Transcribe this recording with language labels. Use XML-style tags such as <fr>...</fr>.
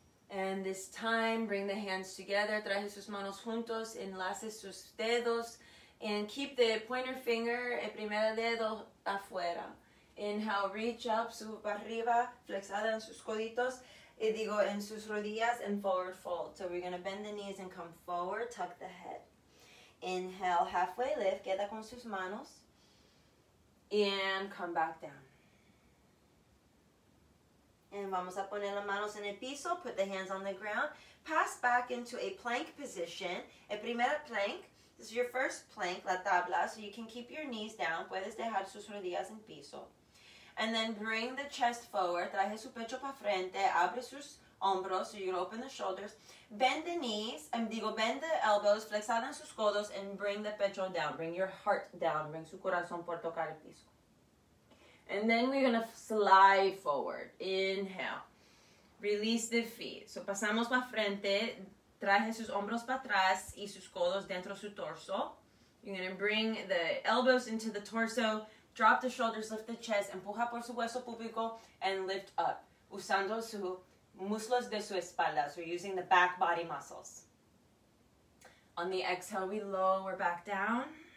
<en>And this time, bring the hands together.</en> <es>Traje sus manos juntos. Enlace sus dedos.</es> <en>And keep the pointer finger,</en> <es>el primer dedo, afuera.</es> <en>Inhale, reach up,</en> <es>sube para arriba, flexada en sus coditos. Y digo, en sus rodillas,</es> <en>and forward fold. So we're going to bend the knees and come forward, tuck the head. Inhale, halfway lift,</en> <es>queda con sus manos.</es> <en>And come back down. And</en> <es>vamos a poner las manos en el piso,</es> <en>put the hands on the ground. Pass back into a plank position.</en> <es>El primer plank,</es> <en>this is your first plank,</en> <es>la tabla,</es> <en>so you can keep your knees down. Puedes dejar sus rodillas en piso. And then bring the chest forward, traje su pecho para frente, abre sus hombros, so you can open the shoulders. Bend the knees, bend the elbows,</en> <es>flexada en sus codos,</es> <en>and bring the pecho down, bring your heart down, bring</en> <es>su corazón por tocar el piso.</es> <en>And then we're going to slide forward. Inhale. Release the feet. So</en> <es>pasamos para frente. Traje sus hombros para atrás y sus codos dentro su torso.</es> <en>You're going to bring the elbows into the torso. Drop the shoulders, lift the chest.</en> <es>Empuja por su hueso púbico</es> <en>and lift up.</en> <es>Usando sus muslos de su espalda.</es> <en>So we're using the back body muscles. On the exhale, we lower back down.</en>